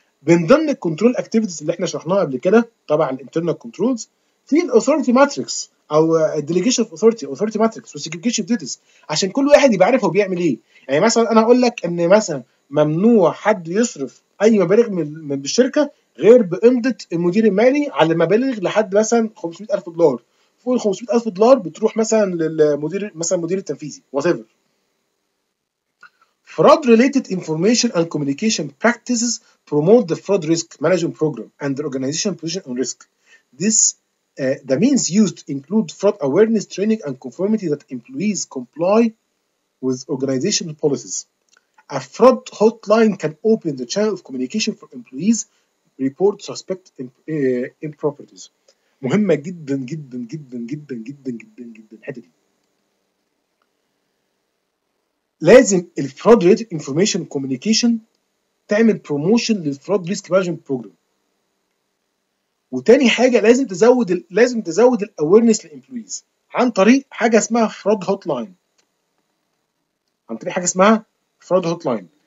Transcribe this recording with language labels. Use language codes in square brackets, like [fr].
[ar] من ضمن الكنترول اكتيفيتيز اللي احنا شرحناها قبل كده طبعا الانترنال كنترولز، في الاوثوريتي ماتريكس او ديليجيشن اوف اوثوريتي، اوثوريتي ماتريكس وسيجريجيشن ديوتيز، عشان كل واحد يبقى عارف هو بيعمل ايه. يعني مثلا انا اقول لك ان مثلا ممنوع حد يصرف اي مبالغ من الشركه غير بامضه المدير المالي على مبالغ لحد مثلا 500,000 دولار. فوق ال 500,000 دولار بتروح مثلا للمدير، مثلا المدير التنفيذي، وات ايفر. [en] Fraud related information and communication practices promote the fraud risk management program and the organization position on risk. This the means used include fraud awareness training and conformity that employees comply with organizational policies. A fraud hotline can open the channel of communication for employees report suspect improprieties. [ar] مهمة جدا جدا جدا جدا جدا جدا جدا حتى دي. لازم الفراد ريت انفورميشن كوميونيكيشن تعمل بروموشن للفراد ريسك مانجمنت بروجرام. وتاني حاجه لازم تزود، لازم تزود الاويرنس للامبلويز عن طريق حاجه اسمها فراد هوت لاين، عن طريق حاجه اسمها فراد هوت لاين.